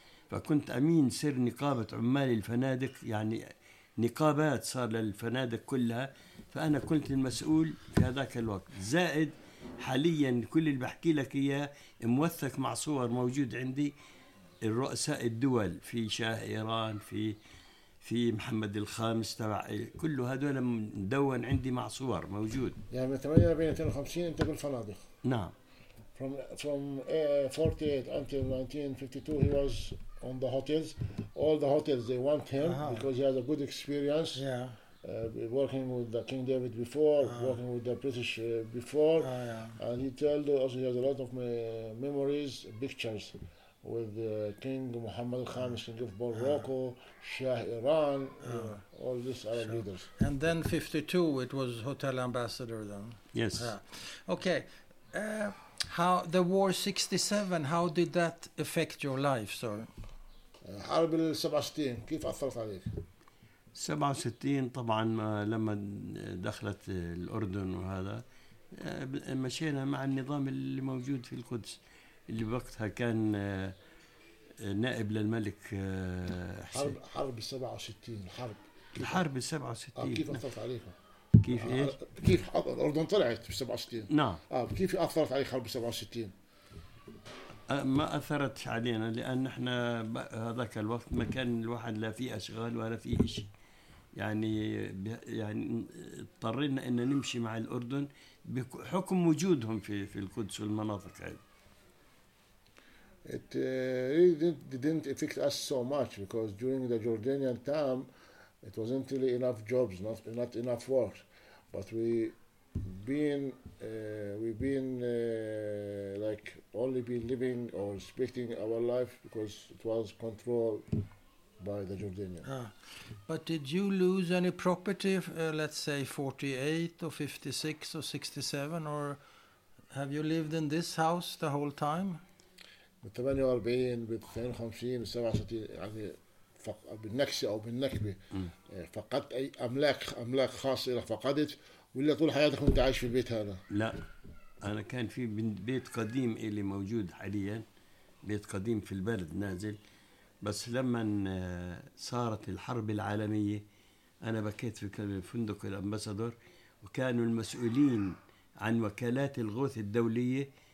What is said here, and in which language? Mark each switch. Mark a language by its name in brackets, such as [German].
[Arabic] فكنت أمين سر نقابة عمال الفنادق يعني نقابات صار للفنادق كلها فأنا كنت المسؤول في هذاك الوقت زائد حاليا كل اللي بحكي لك إياه موثق مع صور موجود عندي الرؤساء الدول في شاه إيران في محمد الخامس تبع كل هذول مدون عندي مع صور موجود يعني من 1952 انت بالفنادق نعم [English] from 48 until 1952 he was on the hotels all the hotels they want him because he has a good experience working with the King David before working with the British before and he told also he has a lot of memories pictures with King Mohammed Khamis, King of Morocco, Shah Iran, all these Arab leaders. And then 52, it was Hotel Ambassador then. Yes. Okay. How the war 67, how did that affect your life, sir? [Arabic] حرب ال 67, كيف أثرت عليك؟ 67 طبعاً لما دخلت الأردن وهذا مشينا مع النظام اللي موجود في القدس. اللي وقتها كان نائب للملك حسين حرب 67 الحرب 67 كيف أثرت عليك كيف إيش كيف الأردن طلعت 67 نعم كيف أثرت عليك حرب 67 ما أثرت علينا لأن إحنا هذاك الوقت ما كان الواحد لا فيه أشغال ولا فيه شيء يعني اضطرينا إن نمشي مع الأردن بحكم وجودهم في القدس والمناطق هذه [English] It really didn't affect us so much because during the Jordanian time, it wasn't really enough jobs, not enough work. But we've been living or expecting our life because it was controlled by the Jordanians. But did you lose any property, let's say 48 or 56 or 67, or have you lived in this house the whole time? [Arabic] بالثمانية وأربعين بالثمانية وخمسين بالسبعة وستين يعني بالنكسة أو بالنكبة فقدت أي أملاك خاصة فقدت ولا طول حياتك كنت عايش في البيت هذا لا أنا كان في بيت قديم اللي موجود حاليا بيت قديم في البلد نازل بس لما صارت الحرب العالمية أنا بكيت في فندق الأمبسادور وكانوا المسؤولين عن وكالات الغوث الدولية